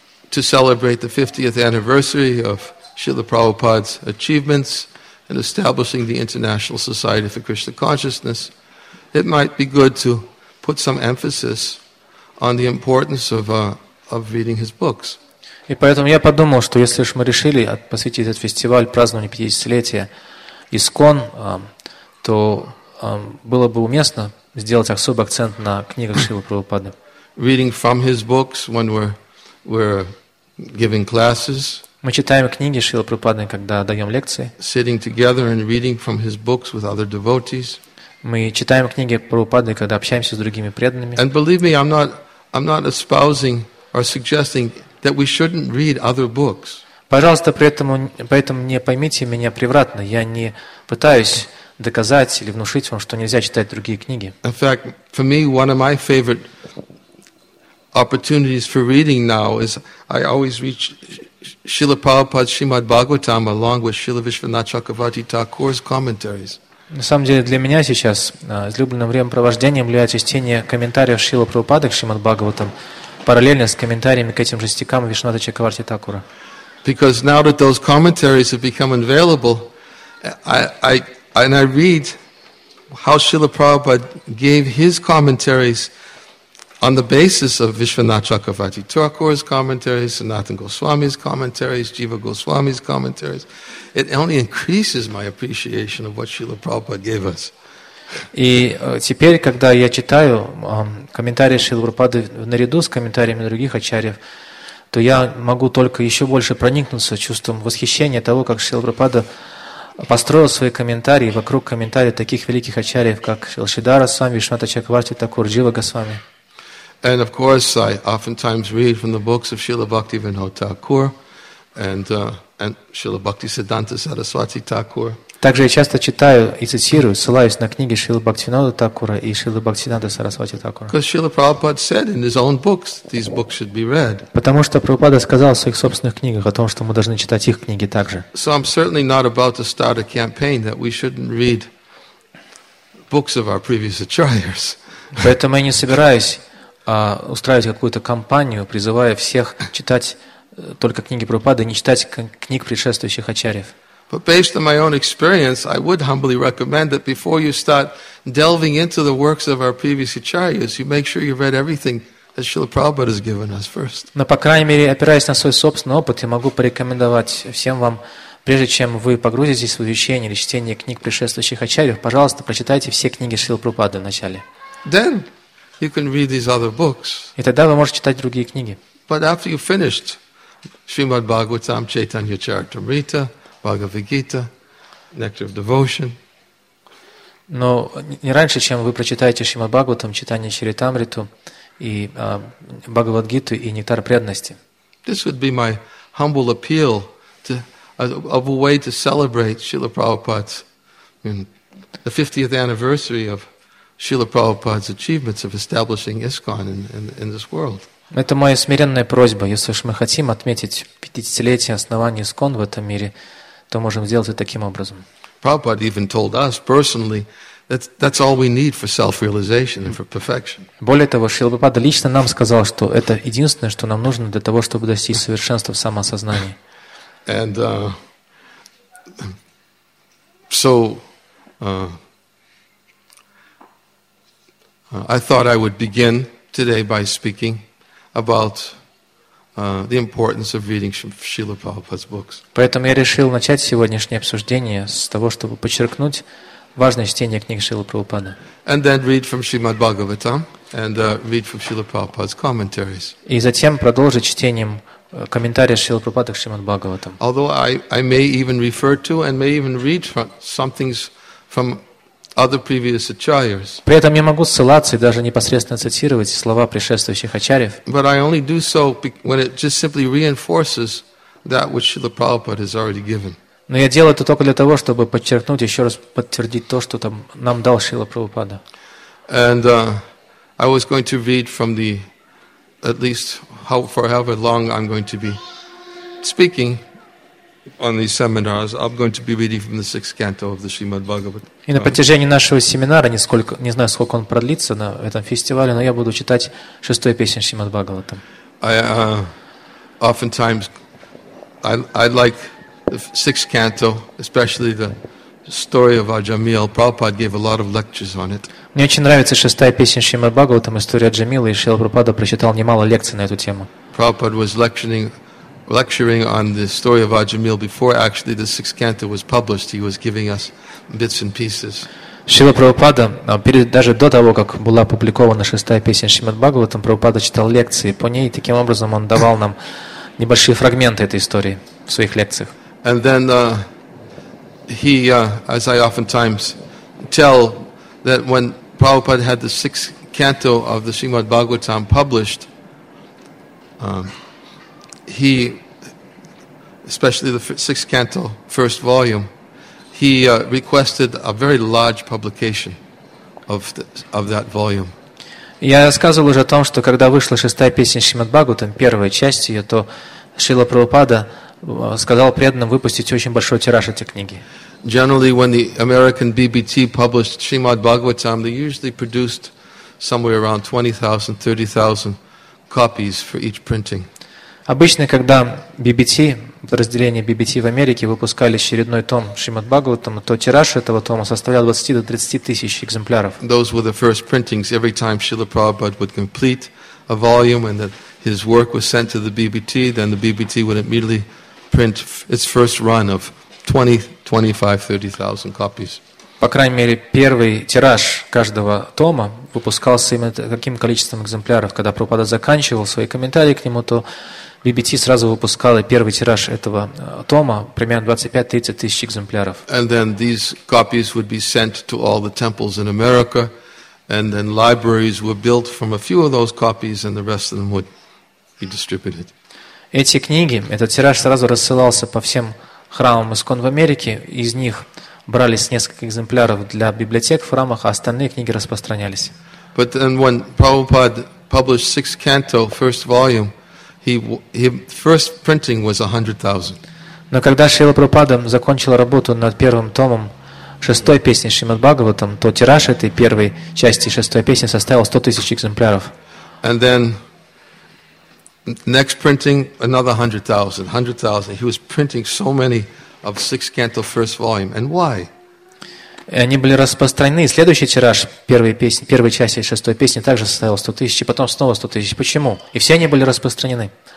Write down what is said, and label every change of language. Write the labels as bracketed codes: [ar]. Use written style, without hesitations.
[en] to celebrate the 50th anniversary of Srila Prabhupada's achievements in establishing the International Society for Krishna Consciousness, it might be good to put some emphasis on the importance of reading his books. [ru] И поэтому я подумал, что если уж мы решили посвятить этот фестиваль празднованию 50-летия ИСККОН, то было бы уместно сделать особый акцент на книгах Шрилы Прабхупады. [en] Reading from his books when we're giving classes. [ru] Мы читаем книги Шрилы Прабхупады, когда даем лекции. [en] Sitting together and reading from his books with other devotees. [ru] Мы читаем книги Прабхупады, когда общаемся с другими преданными. [en] And believe me, I'm not espousing or suggesting that we shouldn't read other books. [ru] Пожалуйста, поэтому не поймите меня превратно. Я не пытаюсь доказать или внушить вам, что нельзя читать другие книги. [en] In fact, for me, one of my favorite opportunities for reading now is I always read Srila Prabhupada's Srimad Bhagavatam along with Srila Vishwanatha Chakravarti Thakur's commentaries. [ru] На самом деле, для меня сейчас излюбленным времяпровождением является чтение комментариев Шрилы Прабхупады к Шримад Бхагаватам параллельно с комментариями к этим же стихам Вишнуната Чакраварти Такура. [en] Because now that those commentaries have become available, I read how Srila Prabhupada gave his commentaries on the basis of Vishwanatha Chakravarti Thakur's commentaries, Sanatana Goswami's commentaries, Jiva Goswami's commentaries. It only increases my appreciation of what Srila Prabhupada gave us. [ru] И теперь, когда я читаю комментарии Шрилы Прабхупады наряду с комментариями других ачарьев, то я могу только еще больше проникнуться чувством восхищения того, как Шрила Прабхупада построил свои комментарии вокруг комментариев таких великих ачарьев, как Шридхара Свами, Вишнуната Чакраварти Такур, Джива Госвами. [en] And of course, I oftentimes read from the books of Srila Bhakti Vinod Thakur and Srila Bhakti Siddhanta Saraswati Thakur. [ru] Также я часто читаю и цитирую, ссылаюсь на книги Шрилы Бхактивинода Такура и Шрилы Бхактивинода Сарасвати Такура. [en] Because Srila Prabhupada said in his own books, these books should be read. [ru] Потому что Прабхупада сказал в своих собственных книгах о том, что мы должны читать их книги также. [en] So I'm certainly not about to start a campaign that we shouldn't read books of our previous acharyas. [ru] Поэтому я не собираюсь устраивать какую-то кампанию, призывая всех читать только книги Прабхупады, не читать книг предшествующих ачарьев. [en] But based on my own experience, I would humbly recommend that before you start delving into the works of our previous acharyas, you make sure you read everything that Srila Prabhupada has given us first. [ru] Но, по крайней мере, опираясь на свой собственный опыт, я могу порекомендовать всем вам, прежде чем вы погрузитесь в изучение или чтение книг предшествующих ачарьев, пожалуйста, прочитайте все книги Шрилы Прабхупады вначале. [en] Then you can read these other books. [ru] И тогда вы можете читать другие книги. [en] But after you finished Srimad Bhagavatam, Chaitanya Charitamrita, Bhagavad Gita, Nectar of Devotion. [ru] Но не раньше, чем вы прочитаете Шримад Бхагаватам, читание Чаритамриту и Бхагавад Гиту и Нектар преданности. [en] This would be my humble appeal to of a way to celebrate Srila Prabhupada's the 50th anniversary of Srila Prabhupada's achievements of establishing ISKCON in this world. [ru] Это моя смиренная просьба, если уж мы хотим отметить 50-летие основания ИСККОН в этом мире, то можем сделать это таким образом. [en] Prabhupada even told us personally that's all we need for self-realization and for perfection. [ru] Более того, Шрила Прабхупада лично нам сказал, что это единственное, что нам нужно для того, чтобы достичь совершенства в самосознании. [en] And so I thought I would begin today by speaking about the importance of reading Srila Prabhupada's books. [ru] Поэтому я решил начать сегодняшнее обсуждение с того, чтобы подчеркнуть важность чтения книг Шрилы Прабхупады. [en] And then read from Srimad Bhagavatam and read from Srila Prabhupada's commentaries. [ru] И затем продолжить чтением комментариев Шрилы Прабхупады к Шримад Бхагаватам. [en] Although I may even refer to and may even read from some things from other previous acharyas. [ru] При этом я могу ссылаться и даже непосредственно цитировать слова предшествующих ачарьев. [en] But I only do so when it just simply reinforces that which Srila Prabhupada has already given. [ru] Но я делаю это только для того, чтобы подчеркнуть, еще раз подтвердить то, что там нам дал Шрила Прабхупада. [en] And I was going to read from the at least however long I'm going to be speaking on these seminars, I'm going to be reading from the sixth canto of the Srimad Bhagavatam. [ru] И на протяжении нашего семинара, не знаю, сколько он продлится на этом фестивале, но я буду читать шестую песню Шримад Бхагаватам. [en] I oftentimes I like the sixth canto, especially the story of Аджамил. Prabhupada gave a lot of lectures on it. [ru] Мне очень нравится шестая песня Шримад Бхагаватам, история Аджамила, и Шрила Прабхупада прочитал немало лекций на эту тему. [en] Prabhupada was lecturing on the story of Аджамил before actually the sixth canto was published. He was giving us bits and pieces. [ru] Шрила Прабхупада, даже до того, как была опубликована шестая песня Шримад Бхагаватам, Прабхупада читал лекции по ней, и таким образом он давал нам небольшие фрагменты этой истории в своих лекциях. [en] And then as I oftentimes tell, that when Prabhupada had the sixth canto of the Srimad Bhagavatam published, he, especially the sixth canto, first volume, he requested a very large publication of that volume. [ru] Я сказал уже о том, что когда вышла шестая песня Шримад Бхагаватам, первая часть ее, то Шрила Прабхупада сказал преданным выпустить очень большой тираж этой книги. [en] Generally, when the American BBT published Srimad Bhagavatam, they usually produced somewhere around 20,000, 30,000 copies for each printing. [ru] Обычно, когда BBT, подразделение BBT в Америке, выпускали очередной том Шримад Бхагаватам, то тираж этого тома составлял 20 до 30 тысяч экземпляров. [en] Those were the first printings. Every time Srila Prabhupada would complete a volume and that his work was sent to the BBT, then the BBT would immediately print its first run of 20, 25, 30,000 copies. [ru] По крайней мере, первый тираж каждого тома выпускался именно таким количеством экземпляров. Когда Прабхупада заканчивал свои комментарии к нему, то BBT сразу выпускал первый тираж этого тома, примерно 25-30 тысяч экземпляров. [en] And then these copies would be sent to all the temples in America, and then libraries were built from a few of those copies, and the rest of them would be distributed. [ru] Эти книги, этот тираж сразу рассылался по всем храмам ИСККОН в Америке, из них брались несколько экземпляров для библиотек в храмах, а остальные книги распространялись. [en] But then when Prabhupada published sixth canto, first volume, his first printing was 100,000. [ru] Но когда Шрила Прабхупада закончил работу над первым томом шестой песни Шримад Бхагаватам, то тираж этой первой части шестой песни составил 100 тысяч экземпляров. [en] And then next printing, another 100,000. He was printing so many of sixth canto first volume. And why? [ru] Они были распространены. Следующий тираж первой части шестой песни также составил 100 тысяч, и потом снова 100 тысяч. Почему? И все они были распространены.